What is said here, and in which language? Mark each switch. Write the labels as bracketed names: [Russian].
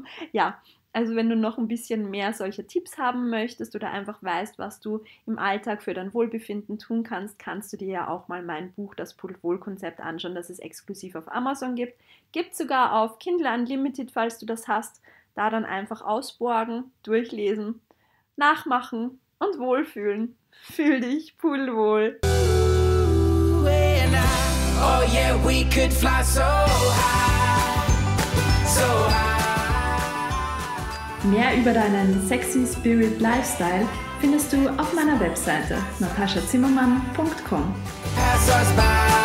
[German] Ja, also wenn du noch ein bisschen mehr solche Tipps haben möchtest oder einfach weißt, was du im Alltag für dein Wohlbefinden tun kannst, kannst du dir ja auch mal mein Buch Das Polul-Konzept anschauen, das es exklusiv auf Amazon gibt. Gibt sogar auf Kindle Unlimited, falls du das hast. Da dann einfach ausborgen, durchlesen, nachmachen und wohlfühlen. Fühl dich pudelwohl. [English] Oh yeah, we could fly so high, so high. [German] Mehr über deinen sexy Spirit Lifestyle findest du auf meiner Webseite nataschazimmermann.com. [English] Pass us by.